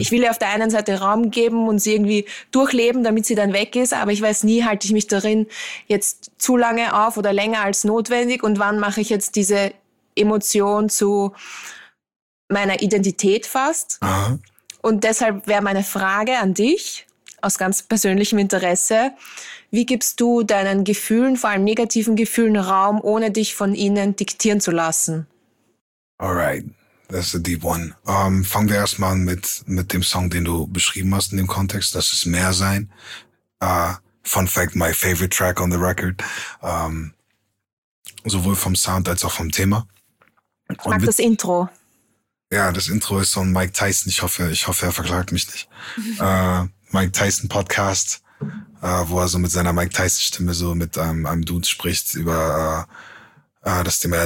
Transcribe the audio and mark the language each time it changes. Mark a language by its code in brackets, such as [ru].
[de] Ich will ihr auf der einen Seite Raum geben und sie irgendwie durchleben, damit sie dann weg ist, aber ich weiß nie, halte ich mich darin jetzt zu lange auf oder länger als notwendig und wann mache ich jetzt diese Emotion zu meiner Identität fast. Aha. Und deshalb wäre meine Frage an dich, aus ganz persönlichem Interesse, wie gibst du deinen Gefühlen, vor allem negativen Gefühlen, Raum, ohne dich von ihnen diktieren zu lassen? [en] Alright, that's a deep one. [de] Fangen wir erstmal an mit dem Song, den du beschrieben hast in dem Kontext. Das ist mehr sein. [en] Fun fact, my favorite track on the record. [de] Sowohl vom Sound als auch vom Thema. Ich mag das Intro. Ja, das Intro ist von Mike Tyson. Ich hoffe, er verklagt mich nicht. Mike Tyson Podcast. Wo er so mit seiner Mike Tyson-Stimme so mit einem Dude spricht über das Thema.